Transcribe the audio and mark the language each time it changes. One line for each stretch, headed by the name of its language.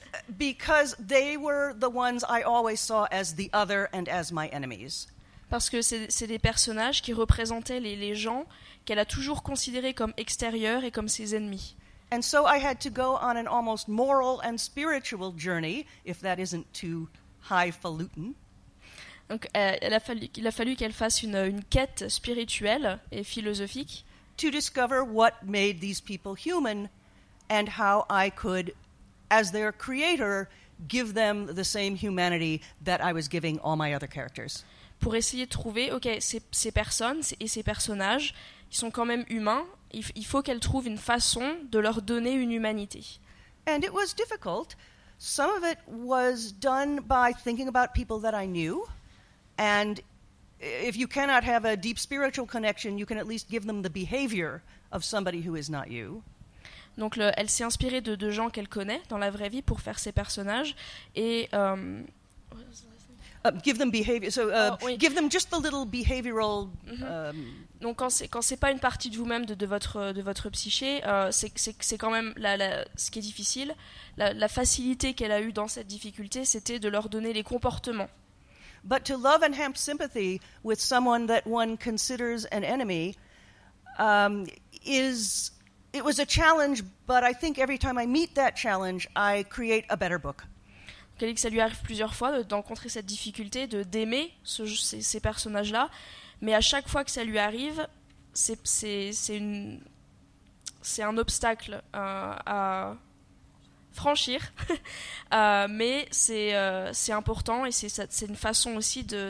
English: because they were the ones I always saw as the other and as my enemies.
French: Parce que c'est des personnages qui représentaient les gens qu'elle a toujours considérés comme extérieurs et comme ses ennemis.
English: And so I had to go on an almost moral and spiritual journey, if that isn't too highfalutin.
French: Donc il a fallu qu'elle fasse une quête spirituelle et philosophique.
English: To discover what made these people human and how I could, as their creator, give them the same humanity that I was giving all my other characters.
French: Pour essayer de trouver, ok, ces personnes et ces personnages, ils sont quand même humains, il faut qu'elles trouvent une façon de leur donner une humanité.
English: And it was difficult. Some of it was done by thinking about people that I knew. And if you cannot have a deep spiritual connection, you can at least give them the behavior of somebody who is not you.
French: Donc elle s'est inspirée de gens qu'elle connaît dans la vraie vie pour faire ces personnages. Et...
English: give them behavior. So, oui. Give them just the little behavioral. Mm-hmm.
French: Donc quand c'est pas une partie de vous-même de votre psyché, c'est quand même ce qui est difficile. La facilité qu'elle a eue dans cette difficulté, c'était de leur donner les comportements.
English: But to love and have sympathy with someone that one considers an enemy it was a challenge. But I think every time I meet that challenge, I create a better book.
French: Elle dit que ça lui arrive plusieurs fois d'encontrer cette difficulté, d'aimer ces personnages-là. Mais à chaque fois que ça lui arrive, c'est un obstacle à franchir. mais c'est important et c'est une façon aussi de...